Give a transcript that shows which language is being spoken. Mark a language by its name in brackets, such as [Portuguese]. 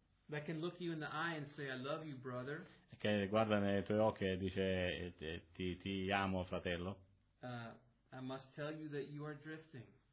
[English] That can look you in the eye and say I love you, brother. [Italian] Che guarda nei tuoi occhi e dice ti amo, fratello. [English] I must tell you that you are drifting.